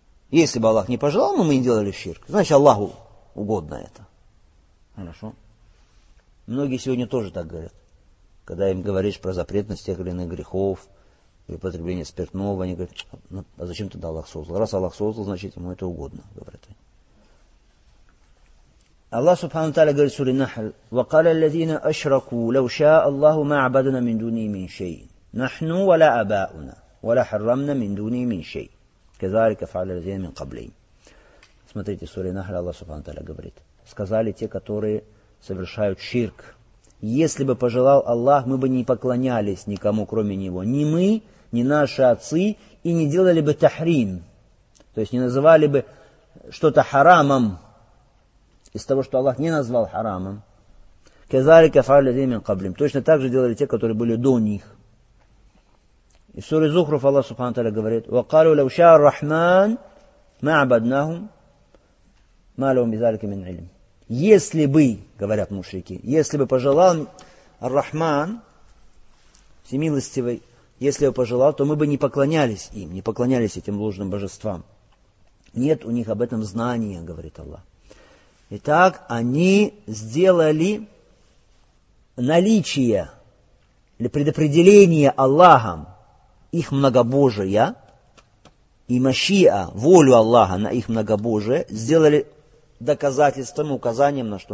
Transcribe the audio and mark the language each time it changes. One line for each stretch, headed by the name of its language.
Russian: Если бы Аллах не пожелал, мы не делали ширк. Значит, Аллаху угодно это. Хорошо. Многие сегодня тоже так говорят. Когда им говоришь про запретность тех или иных грехов, или потребление спиртного, они говорят: ну, а зачем тогда Аллах создал? Раз Аллах создал, значит, ему это угодно, говорят они. Аллах Субхану Тааля говорит в суре Нахл:
Arabic: وَقَالَ الَّذِينَ أَشْرَكُوا لَوْ شَاءَ اللَّهُ مَا عَبَدْنَا مِنْ دُونِهِ مِنْ شَيْءٍ نَحْنُ وَلَا أَبَاؤُنَا وَلَا حَرَّمْنَا مِنْ دُونِهِ مِنْ شَيْءٍ كَذَلِكَ فَعَلَ الَّذِينَ مِنْ قَبْلِهِمْ.
Russian: Смотрите, в суре Нахл Аллах Субхану Тааля говорит: сказали те, которые совершают ширк, если бы пожелал Аллах, мы бы не поклонялись никому, кроме Него. Ни мы, ни наши отцы, и не делали бы тахрим. То есть не называли бы что-то харамом из того, что Аллах не назвал харамом.
Arabic: Казалика фаали лимин каблим.
Russian: Точно так же делали те, которые были до них. И в суре Зухруф Аллах Субхану Тааля говорит:
Arabic: وَقَالُوا لَوْ شَاءَ الرَّحْمَانُ مَا عَبَدْنَاهُمْ مَا لَهُمْ بِذَلِكَ مِنْ عِلْمٍ.
Russian: Если бы, говорят мушрики, если бы пожелал Ар-Рахман, всемилостивый, если бы пожелал, то мы бы не поклонялись им, не поклонялись этим ложным божествам. Нет у них об этом знания, говорит Аллах. Итак, они сделали наличие или предопределение Аллахом их многобожия и машиа, волю Аллаха на их многобожие, сделали доказательством, указанием на что?